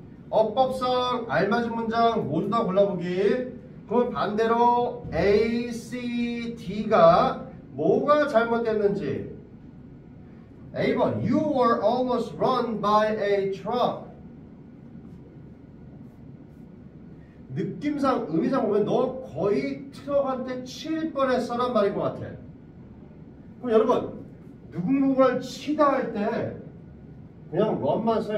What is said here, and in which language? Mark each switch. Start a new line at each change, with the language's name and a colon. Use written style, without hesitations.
Korean: 어법상 알맞은 문장 모두 다 골라보기. 그럼 반대로 A, C, D가 뭐가 잘못됐는지.
English: A번 You were almost run by a truck.
Korean: 느낌상, 의미상 보면 너 거의 트럭한테 칠 뻔했어란 말인 것 같아. 그럼 여러분 누군가를 치다 할 때 그냥 run만 써요.